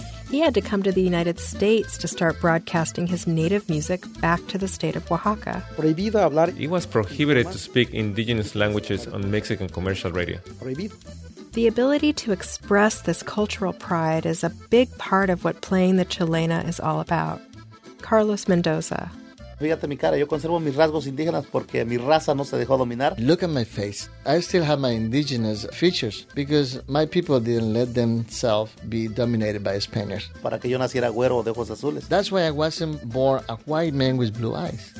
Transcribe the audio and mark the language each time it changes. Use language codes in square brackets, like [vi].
[en] He had to come to the United States to start broadcasting his native music back to the state of Oaxaca. [es] Prohibido hablar. [en] It was prohibited to speak indigenous languages on Mexican commercial radio. The ability to express this cultural pride is a big part of what playing the Chilena is all about. Carlos Mendoza. [es] Fíjate mi cara, yo conservo mis rasgos indígenas porque mi raza no se dejó dominar. [en] Look at my face. I still have my indigenous features because my people didn't let themselves be dominated by Spaniards. [es] Para que yo naciera güero de ojos azules. [en] That's why I wasn't born a white man with blue eyes.